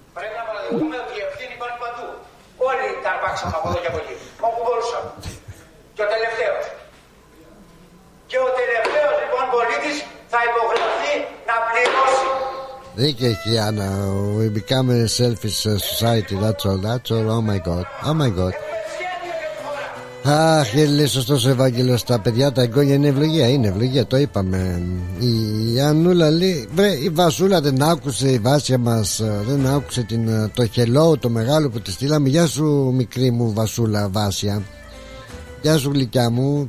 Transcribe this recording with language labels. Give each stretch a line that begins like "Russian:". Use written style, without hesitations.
Greek: Πρέπει να παραδεχτούμε ότι η ευθύνη υπάρχει παντού. Όλοι τα αρπάξαμε από εδώ και από εκεί. Όπου μπορούσαμε. Και ο τελευταίος λοιπόν πολίτης θα υπογραφεί να πληρώσει. Δίκαιη η Άννα.
English: We become a selfish society. That's all. Oh my god.
Greek: Αχ, λέει σωστός ο Ευάγγελος. Τα παιδιά, τα εγγόνια είναι ευλογία. Το είπαμε. Η Ανούλα λέει, βρε, η Βασούλα δεν άκουσε, η Βάσια μας δεν άκουσε το χελό το μεγάλο που τη στείλαμε. Γεια σου μικρή μου Βασούλα Βάσια. Γεια σου γλυκιά μου.